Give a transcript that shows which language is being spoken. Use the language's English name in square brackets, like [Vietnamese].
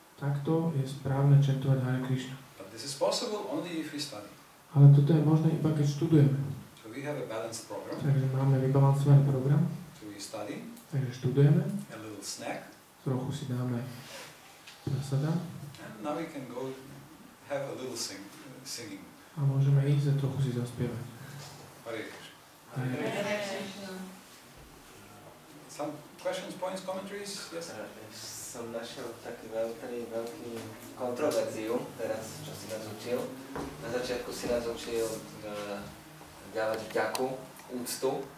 [Slovak] Takto je správne chantovať Hare Krishna. [English] But this is possible only if we study. [Slovak] Ale toto je možné iba keď študujeme. [English] So we have a balanced program. [Slovak] Takže máme vybalancovaný program. [English] So we study. [Slovak] Takže študujeme. [English] A little snack. [Slovak] Trochu si dáme zasada. [English] And now we can go have a little singing. [Slovak] A môžeme ísť a trochu si zaspievať. [English] Hare Krishna. Hare Krishna. Some questions, points, commentaries? Yes. [Slovak] Som našiel taký veľký kontroverziu teraz, čo si nás učil. Na začiatku si nás učil dávať vďaku, úctu.